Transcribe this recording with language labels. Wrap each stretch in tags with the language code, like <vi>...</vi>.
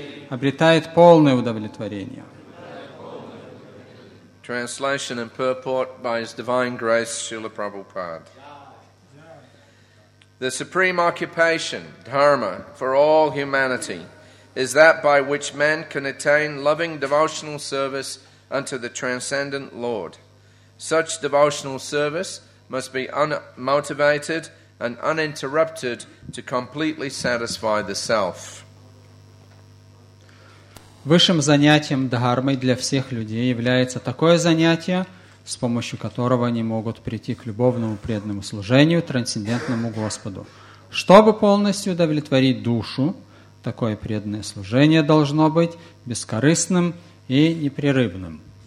<ru>обретает полное удовлетворение.</ru> <en>Translation and purport by His Divine Grace Srila Prabhupada. The supreme occupation, dharma, for all humanity is that by which man can attain loving devotional service unto the transcendent Lord. Such devotional service must be unmotivated and uninterrupted to completely satisfy the self.</en> <ru>Высшим занятием дхармы для всех людей является такое занятие, с помощью которого они могут прийти к любовному преданному служению трансцендентному Господу. Чтобы полностью удовлетворить душу, такое преданное служение должно быть бескорыстным и непрерывным.</ru>